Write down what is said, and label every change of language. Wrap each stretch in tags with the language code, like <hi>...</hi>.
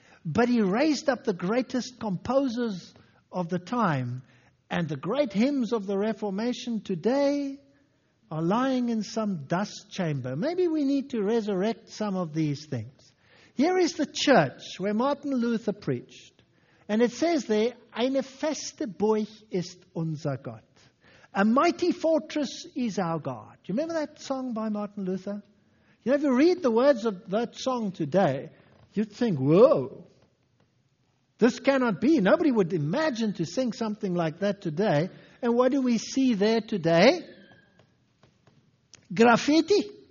<en>But he raised up the greatest composers of the time. And the great hymns of the Reformation today are lying in some dust chamber. Maybe we need to resurrect some of these things. Here is the church where Martin Luther preached. And it says there,</en> <de>eine feste Burg ist unser Gott.</de> <en>A mighty fortress is our God. You remember that song by Martin Luther? You know, if you read the words of that song today, you'd think, whoa, this cannot be. Nobody would imagine to sing something like that today. And what do we see there today? Graffiti.</en>